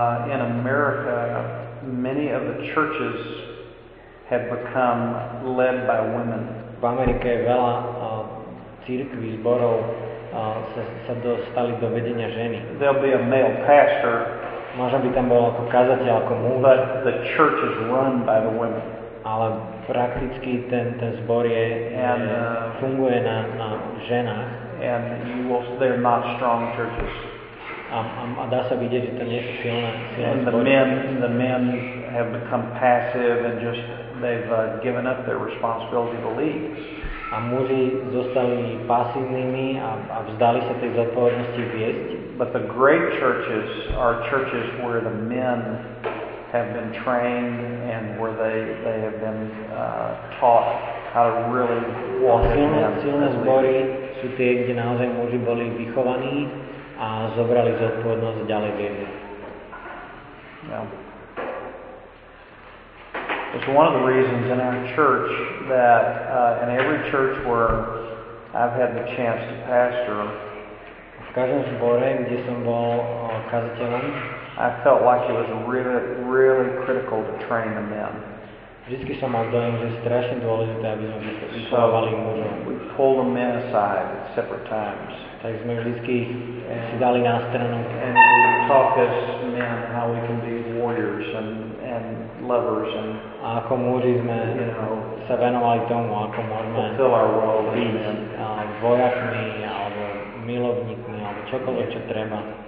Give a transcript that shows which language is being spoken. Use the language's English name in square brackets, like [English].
[English] In America, many of the churches have become led by women. [Slovak] V Amerike je veľa cirkví, zborov sa dostali do vedenia ženy. [English] There'll be a male pastor. [Slovak] Možno by tam bol ako kazateľ, ako muž. [English] But the church is run by the women. [Slovak] Ale prakticky ten zbor je, funguje na ženách. [English] And they're not strong churches. [Slovak] A dá sa vidieť, že to nie sú silné zbory. [English] And the men have become passive and just they've given up their responsibility to lead. [Slovak] A muži zostali pasívnymi a vzdali sa tej zodpovednosti viesť. [English] But the great churches are churches where the men have been trained and where they have been taught how to really walk. [Slovak] Silné zbory sú tie, kde naozaj muži boli vychovaní a zobrali zodpovednosť ďalej viesť. [English] It's one of the reasons in our church that in every church where I've had the chance to pastor, [Slovak] v každom zbore, kde som bol kazateľom, [English] I felt like it was really, really critical to train the men. [Slovak] Vždycky som mal dojem, že je strašne dôležité, aby sme vychovávali mužov. [English] We pulled the men aside at separate times. [Slovak] Tak sme vždycky si dali na stranu. [English] And we talked as men how we can be warriors and lovers and [Slovak] a ako muži sme sa venovali tomu, ako môžeme [English] fulfill our role as men. [Slovak] Vojakmi alebo milovníkmi alebo čokoľvek, čo treba.